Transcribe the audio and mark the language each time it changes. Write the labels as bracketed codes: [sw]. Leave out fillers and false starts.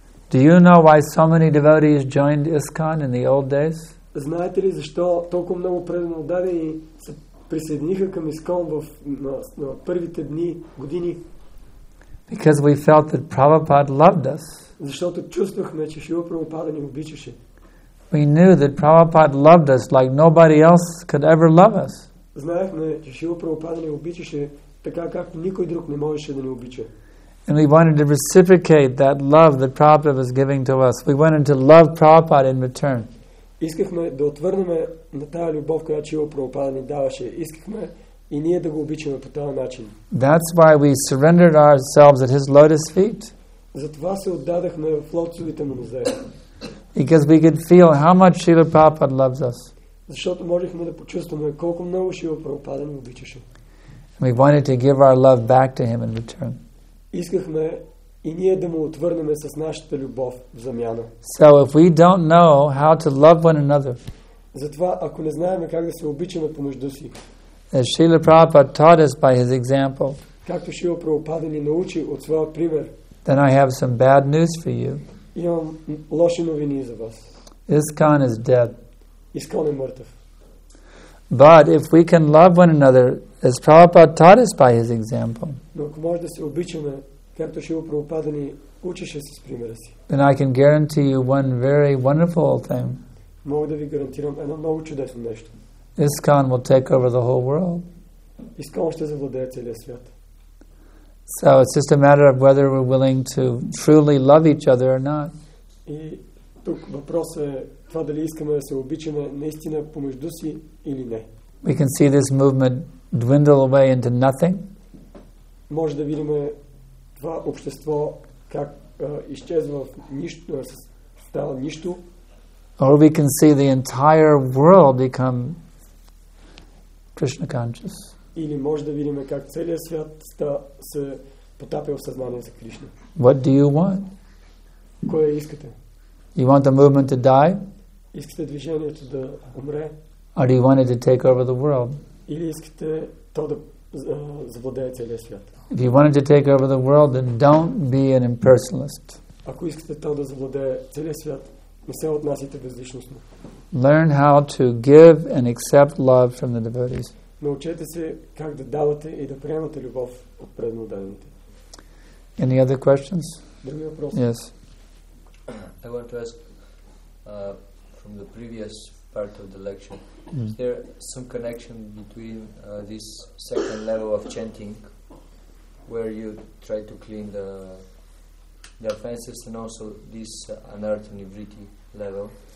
[en] Do you know why so many devotees joined ISKCON in the old days? [bg] Знаете ли защо толкова много предано отдадени се присъединиха към ИСКОН в първите дни, години? [en] Because we felt that Prabhupada loved us. [bg] Защото чувствахме, че Шрила Прабхупада ни обичаше. [en] We knew that Prabhupada loved us like nobody else could ever love us. [bg] Знаехме, че Шрила Прабхупада ни обичаше така както никой друг не можеше да ни обича. [en] And we wanted to reciprocate that love that Prabhupada was giving to us. We wanted to love Prabhupada in return. [bg] Искахме да отвърнем на тая любов, която Шрила Прабхупада ни даваше. Искахме и ние да го обичаме по този начин. [en] That's why we surrendered ourselves at his lotus feet. [bg] Затова се отдадохме в лотосовите му нозе. [en] Because we could feel how much Srila Prabhupada loves us. [bg] Защото можехме да почувстваме колко много Шрила Прабхупада ни обичаше. [en] We wanted to give our love back to him in return. [bg] Искахме и ние да му отвърнем с нашата любов в замяна. [en] So if we don't know how to love one another. [bg] Затова ако не знаем как да се обичаме помежду си. [en] As Srila Prabhupada taught us by his example. [bg] Както Шрила Прабхупада ни научи от своя пример. [en] Then I have some bad news for you. [bg] Имам лоши новини за вас. [en] ISKCON is dead. [bg] ISKCON е мъртъв. [en] But if we can love one another as Prabhupada taught us by his example. [bg] Но ако може да се обичаме, както Шрила Прабхупада ни учеше с примера си. [en] Then I can guarantee you one very wonderful thing. [bg] Мога да ви гарантирам едно много чудесно нещо. [en] ISKCON will take over the whole world. [bg] ISKCON ще завладее целия свят. [en] So it's just a matter of whether we're willing to truly love each other or not. [bg] И тук въпросът е това дали искаме да се обичаме наистина помежду си или не. [en] We can see this movement dwindle away into nothing. [bg] Може да видим това общество как изчезва в нищо, става нищо. [en] Or we can see the entire world become Krishna conscious. [bg] Или може да видим как целият свят се потапя в съзнание за Кришна. [en] What do you want? [bg] Кое искате? [en] You want the movement to die? [bg] Искате движението да умре? [en] Or do you want it to take over the world? [bg] Или искате то да завладее целия свят? [en] If you want it to take over the world, then don't be an impersonalist. [bg] Ако искате то да завладее целия свят, не се отнасяйте безличностно. [en] Learn how to give and accept love from the devotees. [bg] Научете се как да давате и да приемате любов от предно дадените. [en] Any other questions? [bg] Други въпроси? [en] Yes. I want to ask from the previous part of the lecture, is there some connection between this second level of chanting where you try to clean the offenses and also this anartha nivritti level?